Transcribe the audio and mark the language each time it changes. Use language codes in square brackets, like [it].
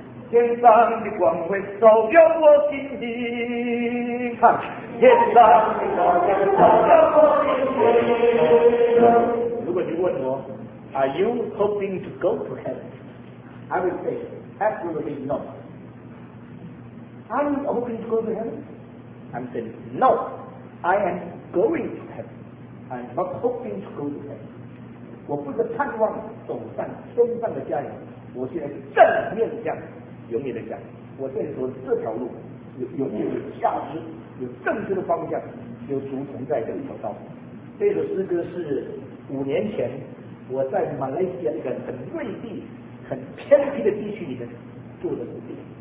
[zh] 天上的光辉照耀我心底，看天上的光辉照耀我心底。如果你问我 [en] ，Are you hoping to go to heaven? I would say absolutely no. Are you hoping to go to heaven? I'm saying no. I am going to heaven. I'm not hoping to go to heaven. [zh] 我不是盼望走上天上的家园，我现在是正面向。永远的讲，我现在说这条路有永远有价值，有正确的方向，有足存在这一条道。这首诗歌是5年前我在马来西亚一个很内地、很偏僻的地区里面做的事情。